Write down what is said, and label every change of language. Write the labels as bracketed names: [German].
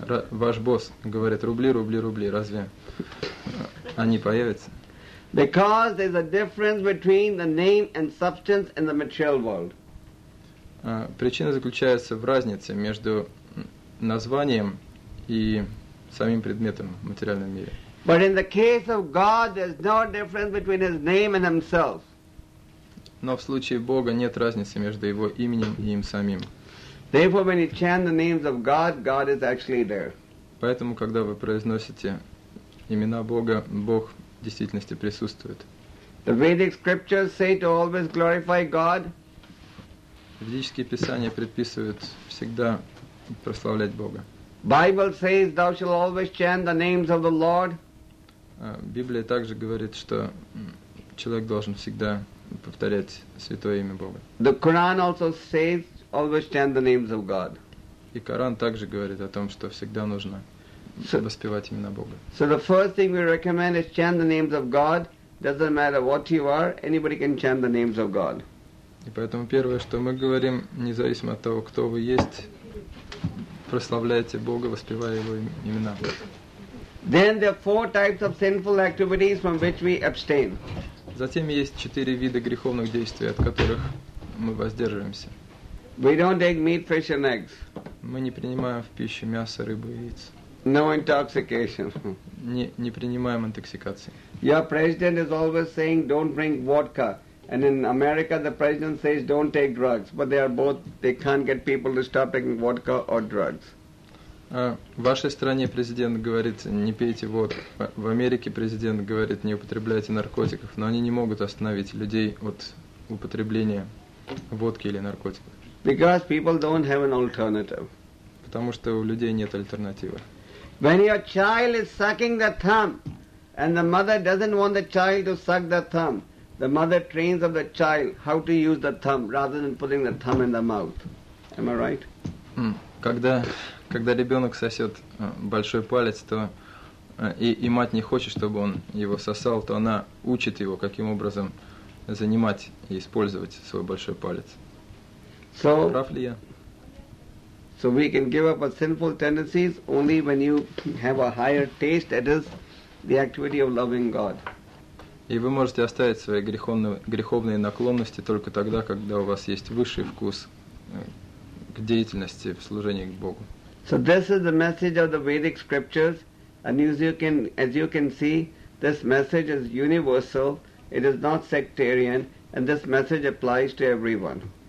[Russian] Ваш босс говорит: "Рубли, рубли, рубли." Разве они появятся? [English] Because there's a difference between the name and substance in the material world. [Russian] Причина заключается в разнице между названием и самим предметом в материальном мире. [English] But in the case of God, there's no difference between His name and Himself. [Russian] Но в случае Бога нет разницы между Его именем и Им самим. [English] Therefore, when you chant the names of God, God is actually there. [Russian] Поэтому, когда вы произносите имена Бога, Бог в действительности присутствует. [English] The Vedic scriptures say to always glorify God. [Russian] Ведические писания предписывают всегда прославлять Бога. [English] Bible says thou shall always chant the names of the Lord. [Russian] Библия также говорит, что человек должен всегда повторять святое имя Бога. [English] The Quran also says always chant the names of God. [Russian] И Коран также говорит о том, что всегда нужно воспевать имена Бога. [English] So the first thing we recommend is chant the names of God. Doesn't matter what you are, anybody can chant the names of God. [Russian] И поэтому первое, что мы говорим, независимо от того, кто вы есть, прославляйте Бога, воспевая Его имена. [English] Then there are four types of sinful activities from which we abstain. [Russian] Затем есть четыре вида греховных действий, от которых мы воздерживаемся. [English] We don't take meat, fish and eggs. [Russian] Мы не принимаем в пищу мясо, рыбу и яйца. [English] No intoxication. [Russian] Не принимаем интоксикации. [English] Your president is always saying, "Don't drink vodka." And in America, the president says, "Don't take drugs." But they are both. They can't get people to stop taking vodka or drugs. [Russian] В вашей стране президент говорит: "Не пейте водку." В Америке президент говорит: "Не употребляйте наркотиков." Но они не могут остановить людей от употребления водки или наркотиков. [English] Because people don't have an alternative. [Russian] Потому что у людей нет альтернативы. [English] When your child is sucking the thumb, and the mother doesn't want the child to suck the thumb, the mother trains up the child how to use the thumb rather than putting the thumb in the mouth. Am I right? [Russian] Когда ребенок сосет большой палец, то и мать не хочет, чтобы он его сосал, то она учит его, каким образом занимать и использовать свой большой палец. Прав ли я? [English] So we can give up our sinful tendencies only when you have a higher taste, that is the activity of loving God. [Russian] И вы можете оставить свои греховные наклонности только тогда, когда у вас есть высший вкус к деятельности в служении к Богу. [English] So this is the message of the Vedic scriptures, and as you can see, this message is universal, it is not sectarian, and this message applies to everyone.